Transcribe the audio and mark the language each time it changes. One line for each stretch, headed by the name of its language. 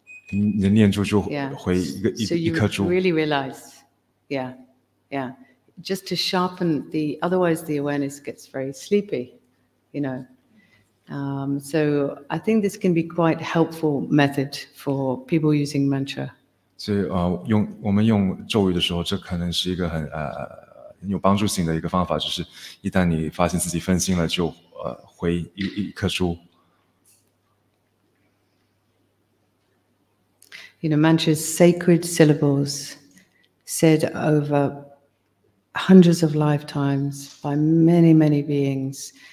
Chinese: 你念珠就回一颗珠。
English: So you really realize, yeah. Just to sharpen the, otherwise the awareness gets very sleepy, you know. So I think this can be quite helpful method for people using mantra.
Chinese: 所以我们用咒语的时候，这可能是一个很有帮助性的一个方法，就是一旦你发现自己分心了，就回一颗珠。
English: You know, mantra's sacred syllables said over hundreds of lifetimes by many, many beings.